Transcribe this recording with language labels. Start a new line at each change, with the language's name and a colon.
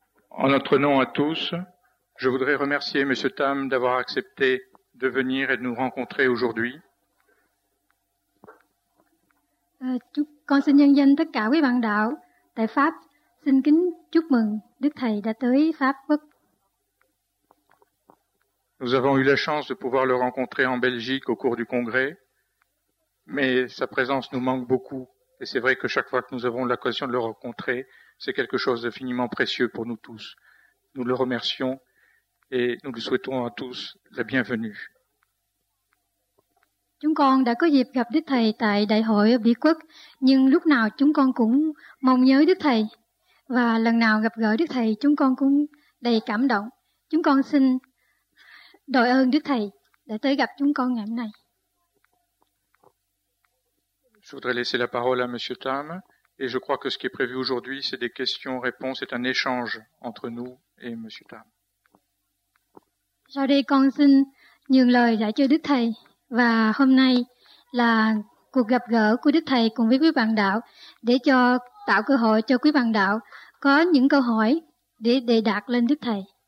French: En notre nom à tous, je voudrais remercier M. Tam d'avoir accepté de venir et de nous rencontrer aujourd'hui.
Vietnamese: Chúc con xin nhân danh tất cả quý bạn đạo tại Pháp xin kính chúc mừng Đức Thầy đã tới Pháp Quốc.
French: Nous avons eu la chance de pouvoir le rencontrer en Belgique au cours du congrès, mais sa présence nous manque beaucoup. Et c'est vrai que chaque fois que nous avons l'occasion de le rencontrer, c'est quelque chose d'infiniment précieux pour nous tous. Nous le remercions et nous lui souhaitons à tous la bienvenue.
Vietnamese: Chúng con đã có dịp gặp Đức Thầy tại Đại hội ở Mỹ Quốc, nhưng lúc nào chúng con cũng mong nhớ Đức Thầy. Và lần nào gặp gỡ Đức Thầy, chúng con cũng đầy cảm động. Chúng con xin đội ơn Đức Thầy đã tới gặp chúng con ngày hôm nay.
French: Je voudrais laisser la parole à Monsieur Tam, et je crois que ce qui est prévu aujourd'hui, c'est des questions-réponses, c'est un échange entre nous et Monsieur Tam.
Vietnamese: Sau đây con xin nhường lời lại cho Đức Thầy, và hôm nay là cuộc gặp gỡ của Đức Thầy cùng với quý bạn đạo để cho tạo cơ hội cho quý bạn đạo có những câu hỏi để đề đạt lên Đức Thầy.